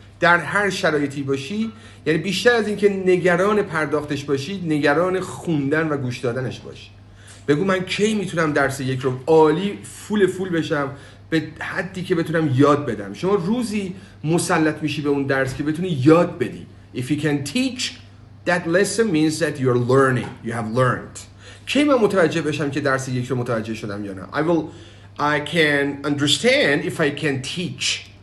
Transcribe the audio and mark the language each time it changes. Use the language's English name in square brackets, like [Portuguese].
[Persian] در هر شرایطی باشی، یعنی بیشتر از اینکه نگران پرداختش باشی، نگران خوندن و گوش دادنش باش. بگو من کی میتونم درس یک رو عالی فول بشم به حدی که بتونم یاد بدم. شما روزی مسلط میشی به اون درس که بتونی یاد بدی. [English] If you can teach, that lesson means that you are learning. You have learned. [Persian] کی من متوجه بشم که درس یک رو متوجه شدم یا نه؟ [English] I can understand if I can teach.